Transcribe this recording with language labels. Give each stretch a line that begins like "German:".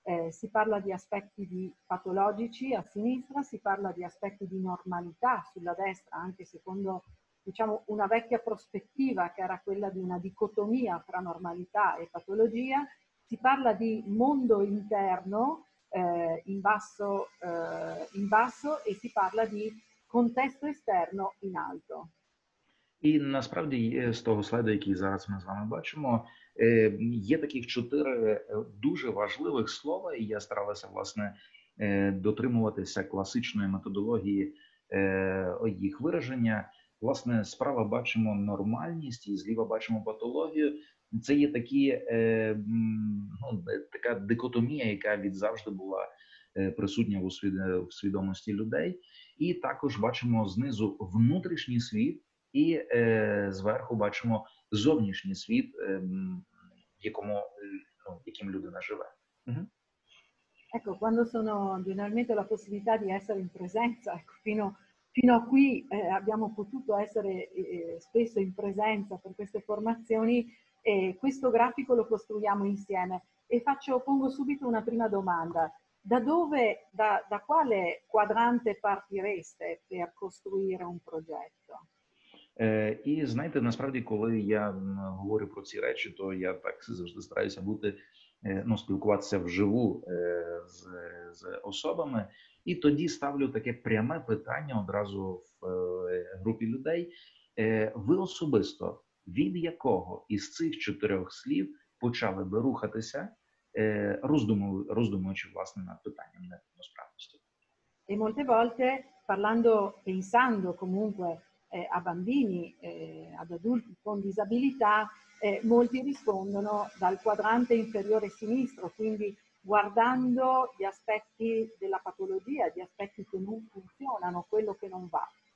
Italian: Si parla di aspetti di patologici a sinistra, si parla di aspetti di normalità sulla destra, anche secondo, diciamo, una vecchia prospettiva che era quella di una dicotomia tra normalità e patologia, si parla di mondo interno, in basso e si parla di contesto esterno in alto.
Ukrainian: І насправді є з того слайду, який зараз ми з вами бачимо, є таких чотири дуже важливих слова, і я старалася, власне, дотримуватися класичної методології їх вираження. Власне, справа бачимо нормальність, і зліва бачимо патологію. Це є такі, ну, така дикотомія, яка відзавжди була присутня в свідомості людей. І також бачимо знизу внутрішній світ, і зверху бачимо зовнішній світ, якому, ну, яким людина живе.
Italian: Ecco, quando sono generalmente la possibilità di essere in presenza, ecco, fino a qui abbiamo potuto essere spesso in presenza per queste formazioni, e questo grafico lo costruiamo insieme. E pongo subito una prima domanda. Da quale quadrante partireste per costruire un progetto?
Ukrainian: І знаєте, насправді, коли я говорю про ці речі, то я так завжди стараюся бути, ну, спілкуватися вживу з особами. І тоді ставлю таке пряме питання одразу в групі людей. Ви особисто від якого із цих чотирьох слів почали би рухатися, роздумуючи, власне, над питанням неповносправності?
Italian: І molte volte, pensando comunque a bambini, ad adulti con disabilità, molti rispondono dal quadrante inferiore sinistro, quindi guardando gli aspetti della patologia, gli aspetti che non funzionano, quello che non va.